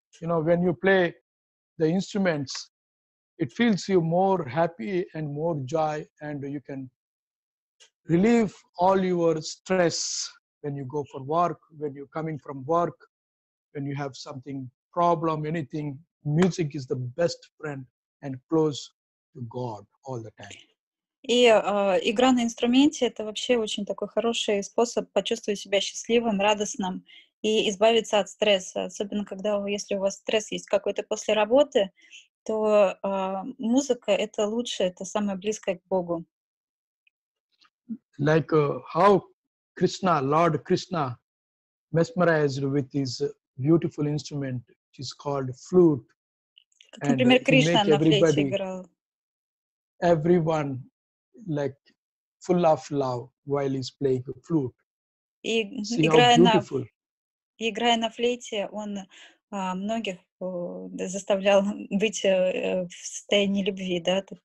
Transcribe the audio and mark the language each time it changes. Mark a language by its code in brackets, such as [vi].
[en] You know, when you play the instruments, it feels you more happy and more joy, and you can relieve all your stress when you go for work, when you're coming from work, when you have something, problem, anything. Music is the best friend and close to God all the time. [ru] И игра на инструменте — это вообще очень такой хороший способ почувствовать себя счастливым, радостным и избавиться от стресса. Особенно, когда если у вас стресс есть какой-то после работы, то музыка — это лучшее, это самое близкое к Богу. [en] Like how Krishna, Lord Krishna, mesmerized with his beautiful instrument, which is called flute. [ru] Как, например, Кришна на флейте играл. [en] Everyone. Like full of love while he's playing the flute. [ru] Играя на флейте, он многих заставлял быть в состоянии любви, да?